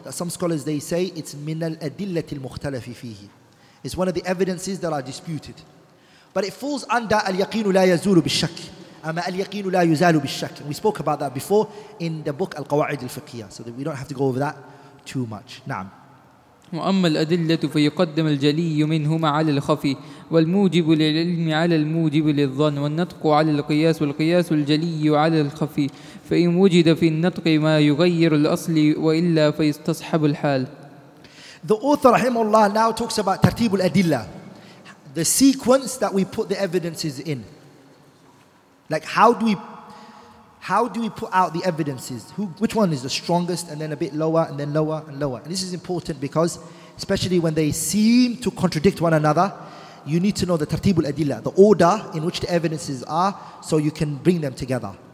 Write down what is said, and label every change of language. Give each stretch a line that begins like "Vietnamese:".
English: That some scholars, they say, it's
Arabic: min al-adillati al-mukhtalafi fihi.
English: It's one of the evidences that are disputed. But it falls under
Arabic: al-yaqinu la yazulu bil-shak. Ama al-yaqinu la yuzalu bil-shak.
English: We spoke about that before in the book al-qawa'id al-fiqhiyah. So that we don't have to go over that too much. Naam.
Arabic: وأما الأدلة فيقدم الجلي منهما على الخفي والموجب للعلم على الموجب للظن والنطق على القياس والقياس الجلي على الخفي فإن وجد في النطق ما يغير الأصل وإلا فيستصحب الحال.
English: The author رحمه الله now talks about ترتيب الأدلة, the sequence that we put the evidences in, like how do we put out the evidences? Which one is the strongest and then a bit lower and then lower and lower? And this is important because, especially when they seem to contradict one another, you need to know the tartib al-adillah, the order in which the evidences are, so you can bring them together.